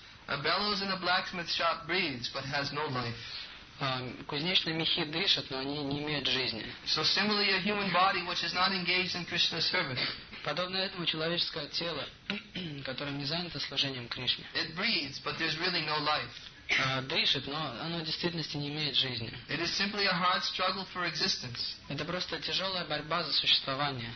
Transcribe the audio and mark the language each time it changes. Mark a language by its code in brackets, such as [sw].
[en] A bellows in a blacksmith shop breathes, but has no life. [ru] Кузнечные мехи дышат, но они не имеют жизни. [en] So similarly, a human body which is not engaged in Krishna's service. [ru] Подобно этому человеческое тело, которое не занято служением Кришне. [en] It breathes, but there's really no life. [ru] Дышит, но оно в действительности не имеет жизни. [en] It is simply a hard struggle for existence. [ru] Это просто тяжелая борьба за существование.